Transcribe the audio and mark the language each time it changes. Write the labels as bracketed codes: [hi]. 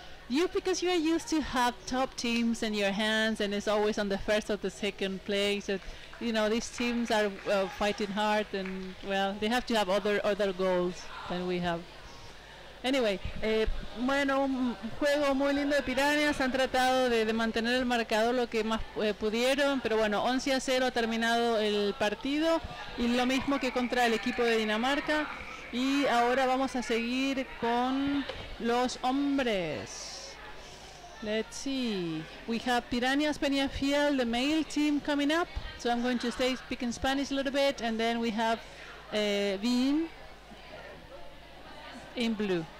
[en] Because you are used to have top teams in your hands and it's always on the first or the second place. So you know, these teams are fighting hard and, well, they have to have other goals than we have. [es] Anyway, bueno, un juego muy lindo de Pirañas. Han tratado de mantener el marcador lo que más pudieron. Pero bueno, 11-0 ha terminado el partido. Y lo mismo que contra el equipo de Dinamarca. Y ahora vamos a seguir con los hombres. [en] Let's see. We have Pirañas Peñafiel, the male team, coming up. So I'm going to stay speaking Spanish a little bit, and then we have Vin in blue.